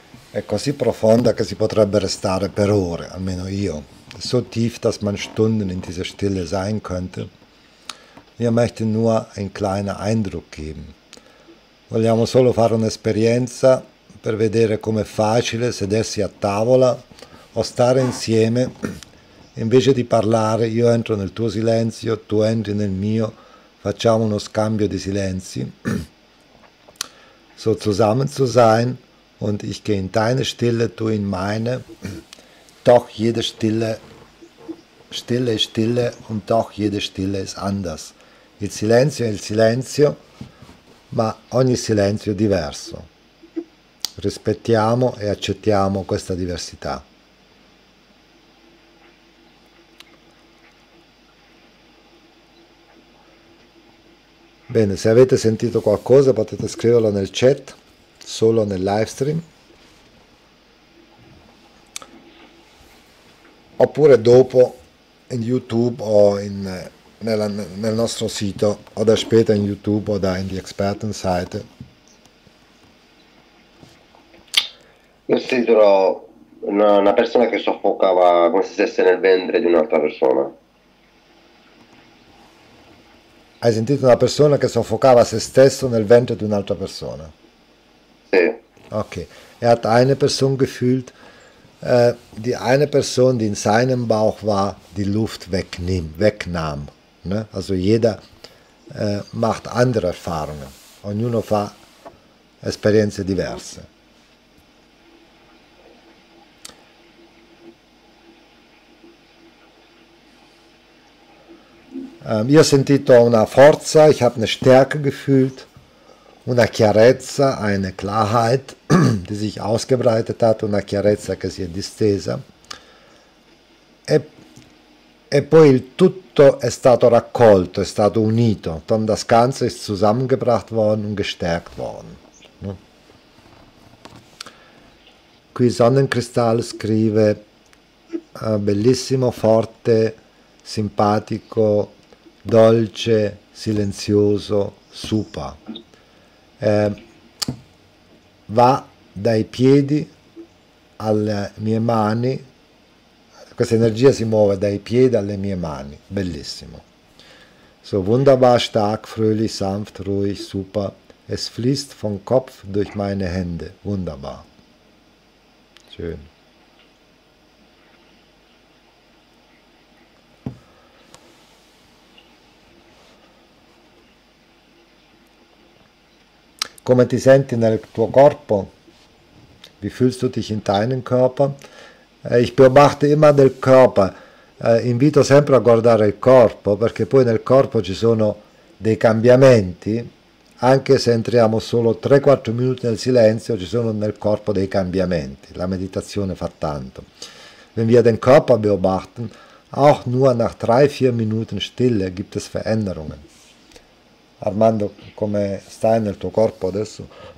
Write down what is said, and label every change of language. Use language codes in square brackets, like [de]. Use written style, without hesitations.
[it] È così profonda che si potrebbe restare per ore, almeno io. [de] So tief, dass man Stunden in dieser Stille sein könnte. Wir möchten nur ein kleiner Eindruck geben. [it] Vogliamo solo fare un'esperienza per vedere com'è facile sedersi a tavola o stare insieme. Invece di parlare, io entro nel tuo silenzio, tu entri nel mio, facciamo uno scambio di silenzi. [de] So zusammen zu sein. Und ich gehe in deine Stille, du in meine. Doch jede Stille, Stille ist Stille und doch jede Stille ist anders. [it] Il silenzio è il silenzio, ma ogni silenzio è diverso. Rispettiamo e accettiamo questa diversità. Bene, se avete sentito qualcosa potete scriverlo nel chat, solo nel livestream. Oppure dopo in YouTube o nel nostro sito, o da [de] Später in YouTube [it] o da [de] in die Expertenseite. [it] Considero una persona che soffocava come se stesse nel ventre di un'altra persona. Hai sentito una persona che soffocava se stesso nel ventre di un'altra persona? [de] Ok, er hat eine Person gefühlt. Die eine Person, die in seinem Bauch war, die Luft wegnahm. Ne? Also jeder macht andere Erfahrungen. [it] Ognuno fa esperienze diverse. Io ho sentito una forza, [de] ich habe eine Stärke gefühlt, [it] una chiarezza, [de] eine Klarheit. Die sich ausgebreitet hat, [it] una chiarezza che si è distesa. E poi il tutto è stato raccolto, è stato unito. [de] Dann das Ganze ist zusammengebracht worden und gestärkt worden. [it] Qui Sonnenkristall scrive: bellissimo, forte, simpatico, dolce, silenzioso, super. Va dai piedi alle mie mani, questa energia si muove dai piedi alle mie mani, bellissimo. [de] So wunderbar, stark, fröhlich, sanft, ruhig, super. Es fließt vom Kopf durch meine Hände, wunderbar. Schön. [it] Come ti senti nel tuo corpo? [de] Wie fühlst du dich in deinem Körper? Ich beobachte immer den Körper, [it] invito sempre a guardare il corpo, perché poi nel corpo ci sono dei cambiamenti, anche se entriamo solo 3-4 minuti nel silenzio, ci sono nel corpo dei cambiamenti, la meditazione fa tanto. [de] Wenn wir den Körper beobachten, auch nur nach 3-4 Minuten Stille gibt es Veränderungen. [it] Armando, come stai nel tuo corpo adesso?